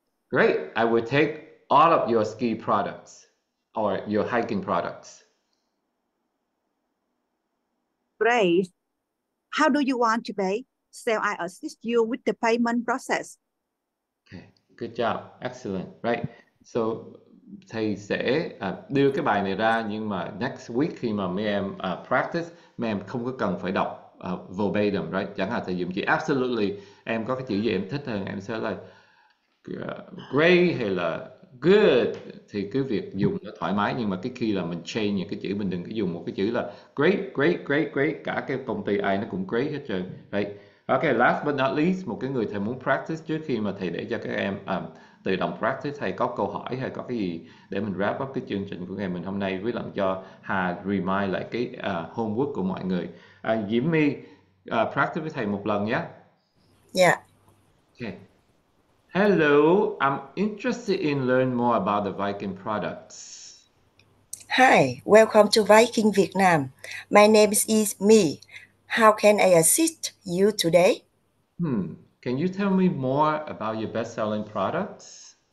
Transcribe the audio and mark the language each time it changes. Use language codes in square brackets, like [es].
[en] Great. I will take all of your ski products or your hiking products. Great. How do you want to pay? So I assist you with the payment process. Okay, good job. Excellent. Right. [vi] So thầy sẽ đưa cái bài này ra, nhưng mà [en] next week [vi] khi mà mấy em [en] practice, [vi] mấy em không có cần phải đọc [en] verbatim, right? [vi] Chẳng hạn thầy dùng chữ [en] absolutely, [vi] em có cái chữ gì em thích hơn, em sẽ là [en] great [vi] hay là [en] good, [vi] thì cứ việc dùng nó thoải mái. Nhưng mà cái khi là mình [en] change [vi] những cái chữ, mình đừng có dùng một cái chữ là [en] great, great, great, great, [vi] cả cái công ty ai nó cũng [en] great [vi] hết trơn. [en] Right. Ok, last but not least, [vi] một cái người thầy muốn [en] practice [vi] trước khi mà thầy để cho các em tự động practice, hay có câu hỏi hay có cái gì để mình [en] wrap up [vi] cái chương trình của ngày mình hôm nay, với lần cho Hà [en] remind [vi] lại cái [en] homework [vi] của mọi người. Diễm My, [en] practice [vi] với thầy một lần nhé. [en] Yeah. Okay. Hello, I'm interested in learning more about the Viking products. Hi, welcome to Viking Vietnam. My name is Yi-Mi. How can I assist you today? Can you tell me more about your best-selling products?